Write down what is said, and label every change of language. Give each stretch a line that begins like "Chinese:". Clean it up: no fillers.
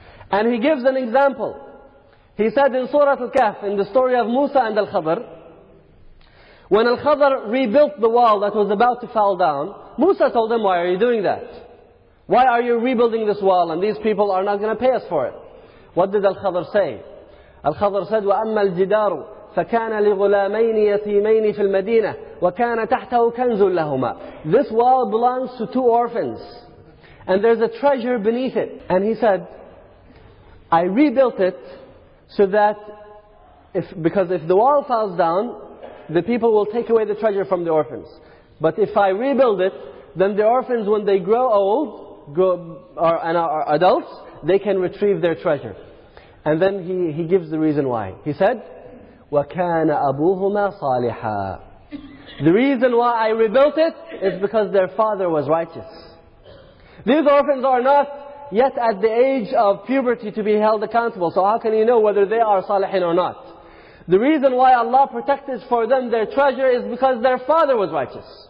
English: And he gives an example. He said in Surah Al-Kahf, in the story of Musa and Al-Khadr, when Al-Khadr rebuilt the wall that was about to fall down, Musa told him, why are you doing that? Why are you rebuilding this wall and these people are not going to pay us for it? What did Al-Khadr say?
Arabic: الخضر said, وَأَمَّا الْجِدَارُ فَكَانَ لِغُلَامَيْنِ يَتِيمَيْنِ فِي الْمَدِينَةِ وَكَانَ تَحْتَهُ كَنْزٌ لَهُمَا
English: This wall belongs to two orphans. And there's a treasure beneath it. And he said, I rebuilt it so that, because if the wall falls down, the people will take away the treasure from the orphans. But if I rebuild it, Then the orphans, when they grow old, are adults, they can retrieve their treasure. And then he gives the reason why. He said,
Arabic: وَكَانَ أَبُوهُمَا صَالِحًا.
English: The reason why I rebuilt it is because their father was righteous. These orphans are not yet at the age of puberty to be held accountable. So how can you know whether they are salihin or not? The reason why Allah protected for them their treasure is because their father was righteous.